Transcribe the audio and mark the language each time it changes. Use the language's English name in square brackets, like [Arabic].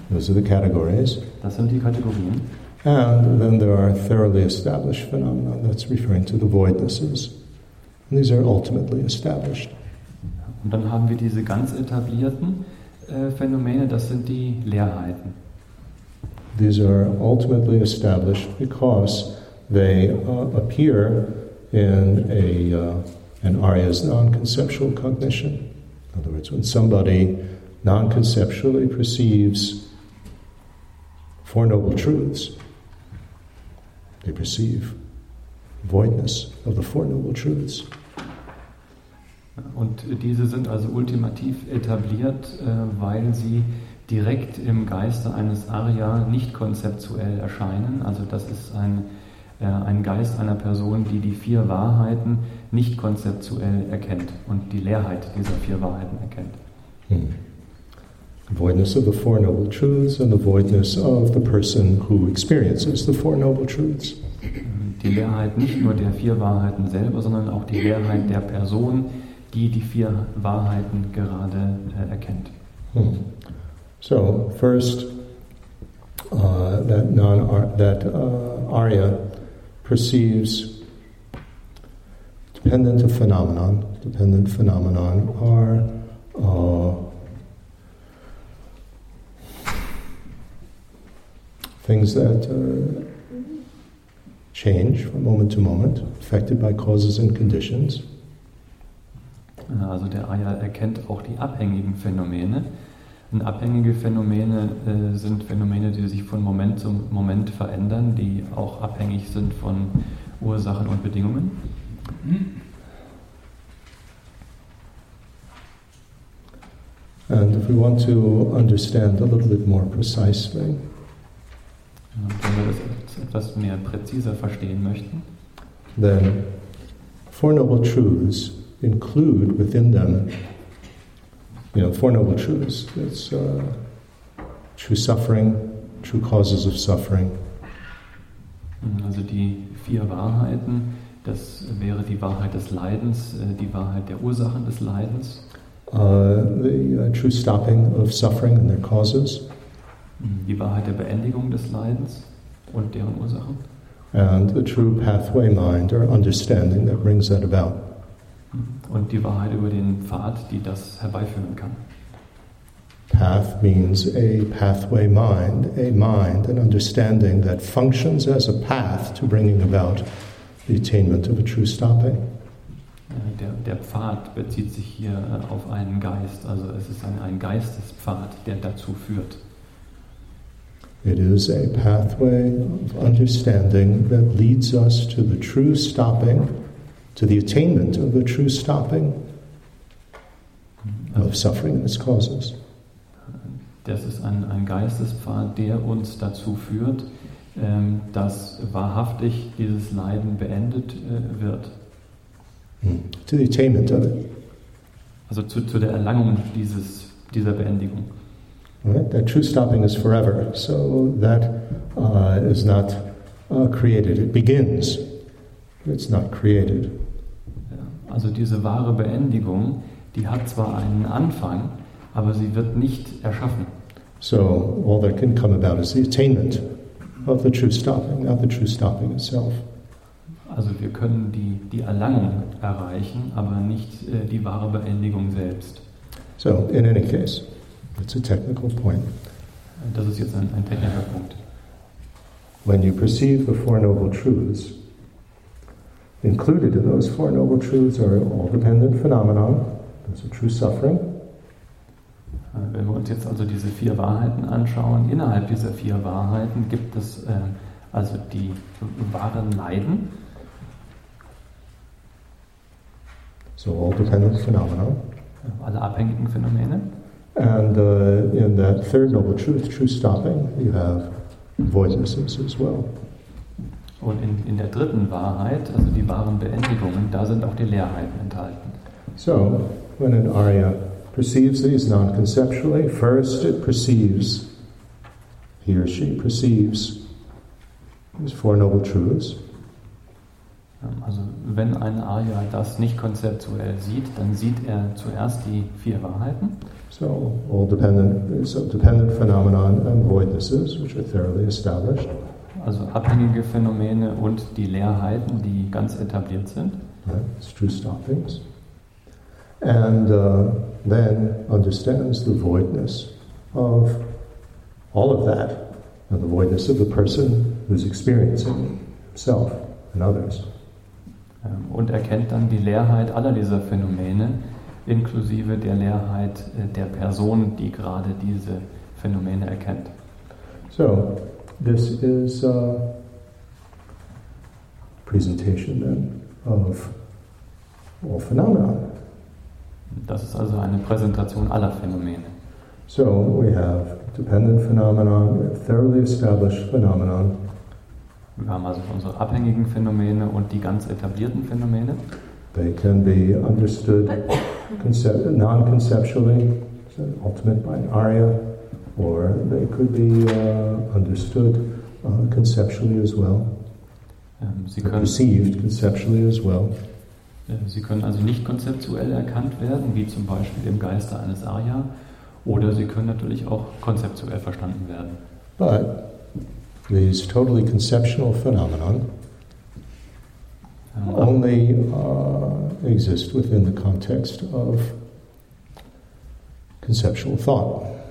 [English] Those are the categories. [German] Das sind die Kategorien. [English] And then there are thoroughly established phenomena. That's referring to the voidnesses. And these are ultimately established. [German] Und dann haben wir diese ganz etablierten Phänomene, das sind die Leerheiten. [English] These are ultimately established because they appear in an arya's non-conceptual cognition. In other words, when somebody non-conceptually perceives Four Noble Truths, they perceive voidness of the Four Noble Truths. [German] Und diese sind also ultimativ etabliert, weil sie direkt im Geiste eines Arya nicht konzeptuell erscheinen. Also das ist ein Geist einer Person, die die vier Wahrheiten nicht konzeptuell erkennt und die Leerheit dieser vier Wahrheiten erkennt. [English] The voidness of the Four Noble Truths and the voidness of the person who experiences the Four Noble Truths. [German] Die Leerheit nicht nur der vier Wahrheiten selber, sondern auch die Leerheit der Person, die vier Wahrheiten gerade erkennt. [English] So, first, Arya perceives dependent of phenomenon. Dependent phenomenon are things that change from moment to moment, affected by causes and conditions. [German] Also der Arya erkennt auch die abhängigen Phänomene. Und abhängige Phänomene sind Phänomene, die sich von Moment zu Moment verändern, die auch abhängig sind von Ursachen und Bedingungen. [English] And if we want to understand a little bit more precisely, [German] wenn wir das etwas mehr präziser verstehen möchten, [English] then Four Noble Truths include within them, you know, Four Noble Truths. That's true suffering, true causes of suffering. [German] Also die vier Wahrheiten, das wäre die Wahrheit des Leidens, die Wahrheit der Ursachen des Leidens. [English] The true stopping of suffering and their causes. [German] Die Wahrheit der Beendigung des Leidens und deren Ursachen. [English] And the true pathway mind or understanding that brings that about. [German] Und die Wahrheit über den Pfad, die das herbeiführen kann. [English] Path means a pathway mind, a mind, an understanding that functions as a path to bringing about the attainment of a true stopping. [German] Der Pfad bezieht sich hier auf einen Geist, also es ist ein Geistespfad, der dazu führt. [English] It is a pathway of understanding that leads us to the true stopping, to the attainment of the true stopping of suffering and its causes. [German] Das ist ein Geistespfad, der uns dazu führt, dass wahrhaftig dieses Leiden beendet wird. [English] To the attainment of it. [German] Also zu der Erlangung dieser Beendigung. [English] Right? That true stopping is forever, so that is not created. It begins, but it's not created. [German] Also diese wahre Beendigung, die hat zwar einen Anfang, aber sie wird nicht erschaffen. [English] So all that can come about is the attainment of the true stopping, not the true stopping itself. [German] Also wir können die Erlangung erreichen, aber nicht die wahre Beendigung selbst. [English] So in any case, it's a technical point. [German] Das ist jetzt ein technischer Punkt. [English] When you perceive the Four Noble Truths, included in those Four Noble Truths are all dependent phenomena, that's a true suffering. [German] Wenn wir uns jetzt also diese vier Wahrheiten anschauen, innerhalb dieser vier Wahrheiten gibt es also die wahren Leiden. [English] So all dependent phenomena. [German] Alle abhängigen Phänomene. [English] And in that third noble truth, true stopping, you have voidnesses as well. [German] Und in der dritten Wahrheit, also die wahren Beendigungen, da sind auch die Leerheiten enthalten. [English] So, when an Arya perceives these non-conceptually, first it perceives, he or she perceives these four noble truths. [German] Also wenn ein Arya das nicht konzeptuell sieht, dann sieht er zuerst die vier Wahrheiten. [English] So all dependent phenomena and voidnesses, which are thoroughly established. [German] Also abhängige Phänomene und die Leerheiten, die ganz etabliert sind. [English] Right, it's true stoppings. And then understands the voidness of all of that, and the voidness of the person who's experiencing himself and others. [German] Und erkennt dann die Leerheit aller dieser Phänomene, inklusive der Leerheit der Person, die gerade diese Phänomene erkennt. [English] So, this is a presentation then of all phenomena. [German] Das ist also eine Präsentation aller Phänomene. [English] So, we have dependent phenomena, thoroughly established phenomena. [German] Wir haben also unsere abhängigen Phänomene und die ganz etablierten Phänomene. [English] They can be understood non-conceptually, so ultimate by an Arya, or they could be understood conceptually as well. [German] Sie können, [English] perceived conceptually as well. [German] Sie können also nicht konzeptuell erkannt werden, wie zum Beispiel im Geiste eines Arya, oder sie können natürlich auch konzeptuell verstanden werden. [English] But these totally conceptual phenomena only exist within the context of conceptual thought.